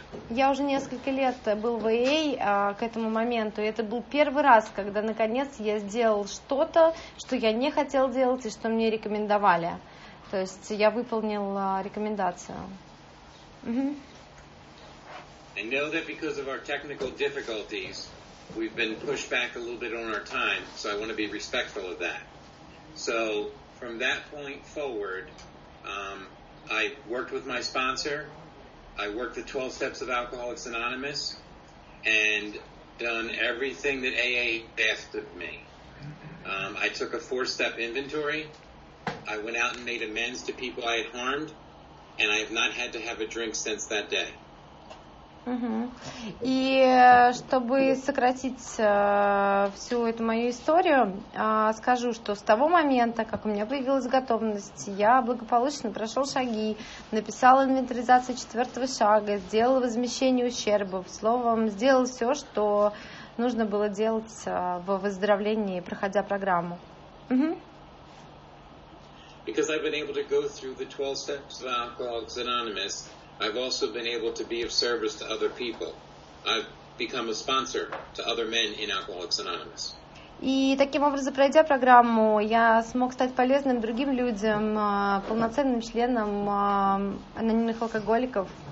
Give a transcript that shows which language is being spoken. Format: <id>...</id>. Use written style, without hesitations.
<ru>Я уже несколько лет был в AA к этому моменту, и это был первый раз, когда наконец я сделал что-то, что я не хотел делать и что мне рекомендовали. То есть я выполнил рекомендацию.</ru> <en>I know that because of our technical difficulties, we've been pushed back a little bit on our time, so I want to be respectful of that. So from that point forward, I worked with my sponsor, I worked the 12 steps of Alcoholics Anonymous, and done everything that AA asked of me. I took a 4-step inventory, I went out and made amends to people I had harmed, and I have not had to have a drink since that day.</en> <ru>И чтобы сократить всю эту мою историю, скажу, что с того момента, как у меня появилась готовность, я благополучно прошел шаги, написал инвентаризацию 4-го шага, сделал возмещение ущербов, словом, сделал все, что нужно было делать во выздоровлении, проходя программу.</ru> <en>Because I've been able to go through the 12 steps of Alcoholics Anonymous, I've also been able to be of service to other people. I've become a sponsor to other men in Alcoholics Anonymous.</en> <ru>И таким образом, пройдя программу, я смог стать полезным другим людям, полноценным членом анонимных алкоголиков.</ru>